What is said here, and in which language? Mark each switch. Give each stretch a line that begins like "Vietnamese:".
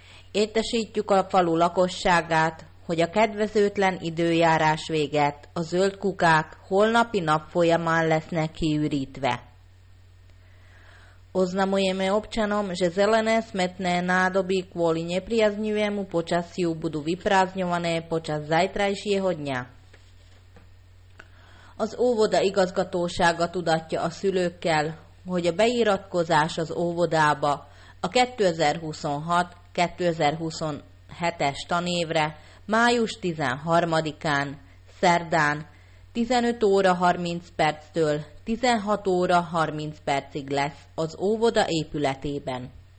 Hungarian: Értesítjük a falu lakosságát, hogy a kedvezőtlen időjárás véget a zöld kukák holnapi nap folyamán lesznek kiürítve.
Slovak: Oznámujeme občanom, že zelené smetné nádoby kvôli nepriaznivému počasiu budú vyprázdňované počas zajtrajšieho dňa.
Hungarian: Az óvoda igazgatósága tudatja a szülőkkel, hogy a beiratkozás az óvodába a 2026-2027-es tanévre május 13-án, szerdán 15 óra 30 perctől 16 óra 30 percig lesz az óvoda épületében.